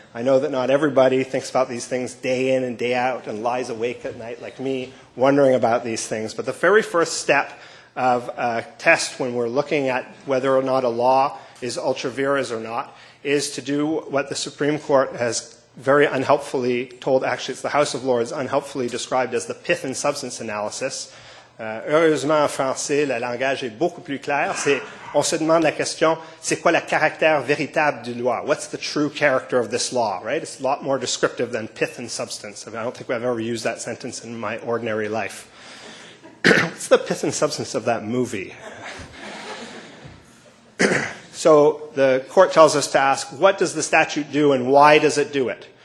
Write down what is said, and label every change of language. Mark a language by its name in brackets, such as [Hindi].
[English] I know that not everybody thinks about these things day in and day out and lies awake at night like me wondering about these things, but the very first step of a test when we're looking at whether or not a law is ultra vires or not is to do what the Supreme Court has very unhelpfully told, actually it's the House of Lords, unhelpfully described as the pith and substance analysis. [French] Heureusement en français, le langage est beaucoup plus clair. On se demande la question, c'est quoi le caractère véritable du loi? [English] What's the true character of this law, right? It's a lot more descriptive than pith and substance. I mean, I don't think I've ever used that sentence in my ordinary life. What's the pith and substance of that movie? So the court tells us to ask, what does the statute do and why does it do it?